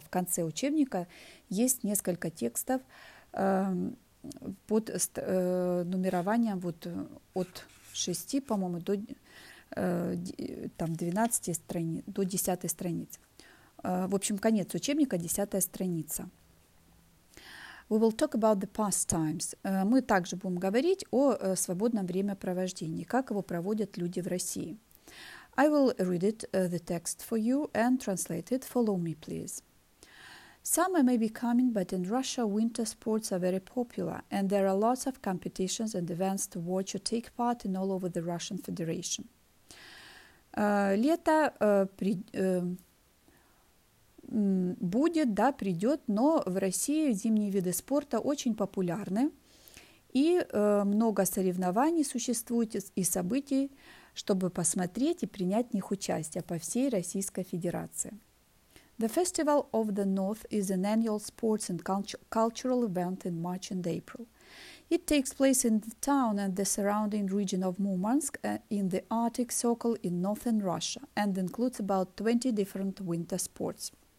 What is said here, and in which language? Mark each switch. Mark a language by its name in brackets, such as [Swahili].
[Russian] В конце учебника есть несколько текстов под нумерованием вот от 6, по-моему, до там 12 страниц, до 10 страниц. В общем, конец учебника, 10 страница. [English] We will talk about the past times. [Russian] Мы также будем говорить о свободном времяпровождении, как его проводят люди в России. [English] I will read it, the text for you and translate it. Follow me, please. Summer may be coming, but in Russia winter sports are very popular, and there are lots of competitions and events to watch or take part in all over the Russian Federation. [Russian] Лето будет, да, придет, но в России зимние виды спорта очень популярны, и много соревнований существует и событий, чтобы посмотреть и принять в них участие по всей Российской Федерации. [English] The Festival of the North is an annual sports and cultural event in March and April. It takes place in the town and the surrounding region of Murmansk in the Arctic Circle in northern Russia and includes about 20 different winter sports.